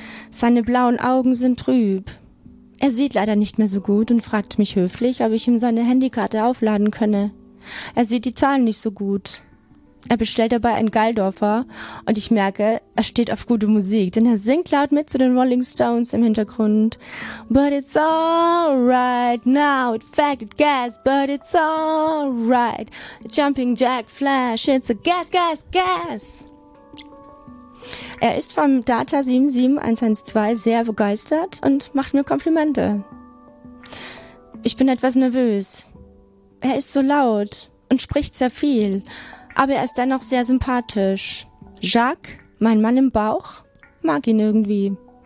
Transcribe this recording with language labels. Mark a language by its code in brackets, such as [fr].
[de] Seine blauen Augen sind trüb. Er sieht leider nicht mehr so gut und fragt mich höflich, ob ich ihm seine Handykarte aufladen könne. Er sieht die Zahlen nicht so gut. Er bestellt dabei einen Galdorfer und ich merke, er steht auf gute Musik, denn er singt laut mit zu den Rolling Stones im Hintergrund. [en] But it's alright now, it faggot gas, but it's alright. Jumping Jack Flash, it's a gas, gas, gas. [de] Er ist vom Data 77112 sehr begeistert und macht mir Komplimente. Ich bin etwas nervös. Er ist so laut und spricht sehr viel. Aber er ist dennoch sehr sympathisch. Jacques, mein Mann im Bauch, mag ihn irgendwie.